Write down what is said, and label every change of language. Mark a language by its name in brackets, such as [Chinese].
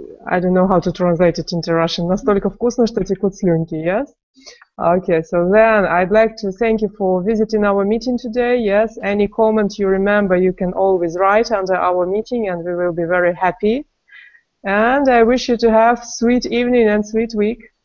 [English] I don't know how to translate it into Russian. [Russian] Настолько вкусно, что текут слюнки, yes? [English] Okay, so then I'd like to thank you for visiting our meeting today, yes? Any comment you remember, you can always write under our meeting and we will be very happy. And I wish you to have sweet evening and sweet week.